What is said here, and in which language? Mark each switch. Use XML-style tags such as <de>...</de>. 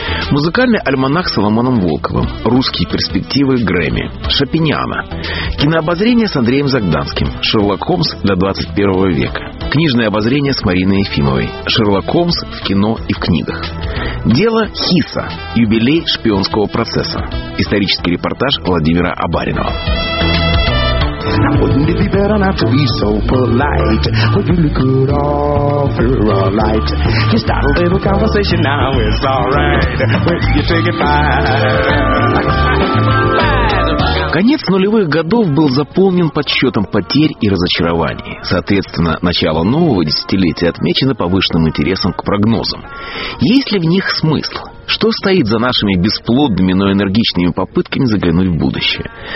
<ru>Музыкальный альманах с Соломоном Волковым. Русские перспективы Грэмми. Шопиняна. Кинообозрение с Андреем Загданским. Шерлок Холмс до 21 века. Книжное обозрение с Мариной Ефимовой. Шерлок Холмс в кино и в книгах. Дело Хисса. Юбилей шпионского процесса. Исторический репортаж Владимира Абаринова.</ru> <en>Now wouldn't it be better not to be so polite? Would you look good after a light? You start a little conversation now, it's alright. When you take it back.</en> <ru>Конец нулевых годов был заполнен подсчетом потерь и разочарований. Соответственно, начало нового десятилетия отмечено повышенным интересом к прогнозам. Есть ли в них смысл? Что стоит за нашими бесплодными, но энергичными попытками заглянуть в будущее?</ru>